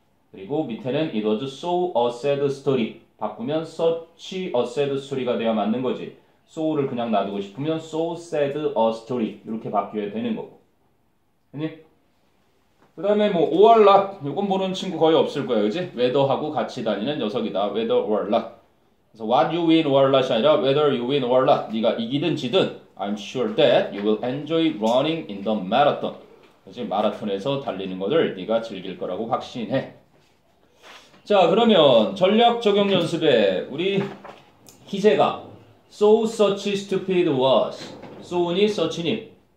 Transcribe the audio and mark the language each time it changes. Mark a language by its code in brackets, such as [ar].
[ko] 그리고 밑에는 [en] it was so a sad story [ko] 바꾸면 [en] such a sad story가 [ko] 돼야 맞는 거지. so를 그냥 놔두고 싶으면 [en] so sad a story [ko] 이렇게 바뀌어야 되는 거고. 아니? 그다음에 뭐 오알락 요건 보는 친구 거의 없을 거예요, 그지? 웨더하고 같이 다니는 녀석이다. 웨더 오알락. 그래서 [en] what you win [ko] 오알락이 아니라 [en] whether you win [ko] 오알락. 네가 이기든 지든 [en] I'm sure that you will enjoy running in the marathon. [ko] 그지? 마라톤에서 달리는 것을 네가 즐길 거라고 확신해. 자, 그러면 전략 적용 연습에 우리 희재가 [en] so such stupid was. [ko] so니 such니?